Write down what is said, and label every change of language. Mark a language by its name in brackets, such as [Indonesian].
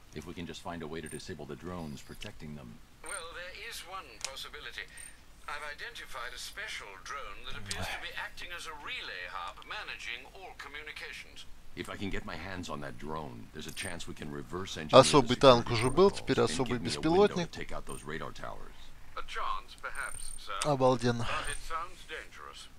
[English] If we can just find a way to disable the drones protecting them. Well, there is one possibility. I've identified a special drone that appears to be acting as a relay hub, managing all communications. If I can get my hands on that drone, there's a chance we can reverse engineer. [Russian] Особый танк уже был, теперь особый беспилотник. [English] Take out those radar towers. A chance, perhaps, sir. [Russian] Обалденно. [English] But it sounds dangerous.